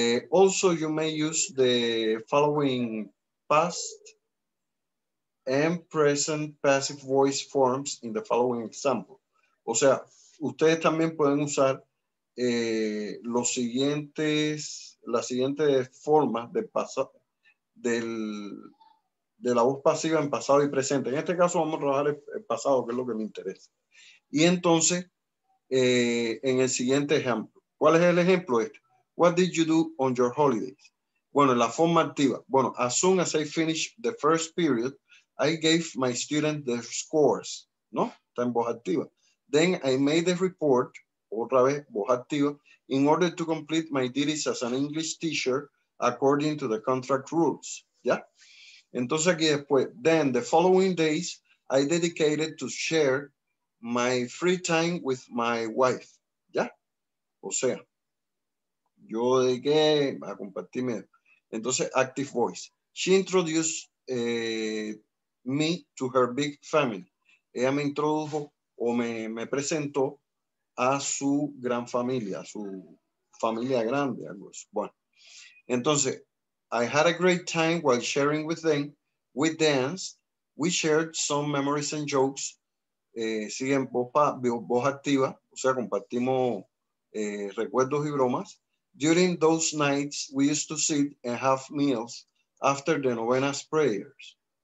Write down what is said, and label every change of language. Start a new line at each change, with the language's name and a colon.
English: Also, you may use the following past and present passive voice forms in the following example.
Spanish: O sea, ustedes también pueden usar las siguientes formas de la voz pasiva en pasado y presente. En este caso vamos a trabajar el pasado, que es lo que me interesa. Y entonces, en el siguiente ejemplo, ¿cuál es el ejemplo este?
English: What did you do on your holidays?
Spanish: Bueno, la forma activa. Bueno,
English: as soon as I finished the first period, I gave my students the scores,
Spanish: ¿no? Está en voz activa.
English: Then I made the report,
Spanish: otra vez, voz activa,
English: in order to complete my duties as an English teacher according to the contract rules.
Spanish: ¿Ya? Entonces aquí después,
English: then the following days, I dedicated to share my free time with my wife.
Spanish: ¿Ya? O sea, yo dediqué a compartirme. Entonces,
English: active voice. She introduced me to her big family.
Spanish: Ella me introdujo o me presentó a su gran familia, a su familia grande, algo así. Bueno, entonces,
English: I had a great time while sharing with them. We danced, we shared some memories and jokes.
Spanish: Siguen voz activa, o sea, compartimos recuerdos y bromas.
English: During those nights, we used to sit and have meals after the novena's prayers.